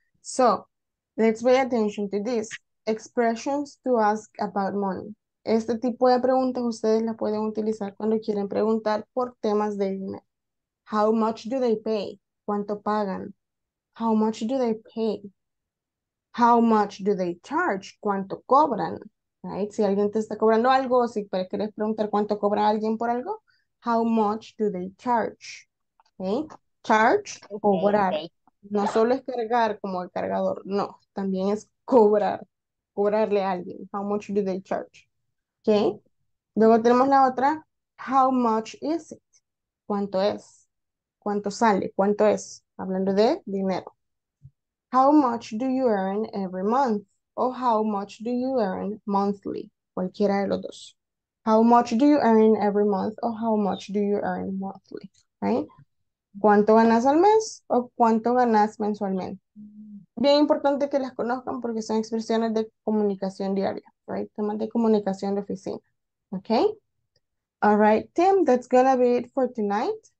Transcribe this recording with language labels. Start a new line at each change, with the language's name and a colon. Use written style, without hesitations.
English: So let's pay attention to this expressions to ask about money.
Spanish: Este tipo de preguntas ustedes las pueden utilizar cuando quieren preguntar por temas de dinero.
English: How much do they pay?
Spanish: ¿Cuánto pagan?
English: How much do they pay? How much do they charge?
Spanish: ¿Cuánto cobran?
English: Right?
Spanish: Si alguien te está cobrando algo, si quieres preguntar cuánto cobra alguien por algo,
English: how much do they charge? Okay? Charge, cobrar.
Spanish: No solo es cargar como el cargador, no. También es cobrar, cobrarle a alguien.
English: How much do they charge? Okay?
Spanish: Luego tenemos la otra.
English: How much is it?
Spanish: ¿Cuánto es? ¿Cuánto sale? ¿Cuánto es? Hablando de dinero.
English: How much do you earn every month? O how much do you earn monthly?
Spanish: Cualquiera de los dos.
English: How much do you earn every month or how much do you earn monthly, right?
Spanish: ¿Cuánto ganas al mes o cuánto ganas mensualmente? Bien importante que las conozcan porque son expresiones de comunicación diaria, right? Temas de comunicación de oficina, okay?
English: All right, Tim, that's gonna be it for tonight.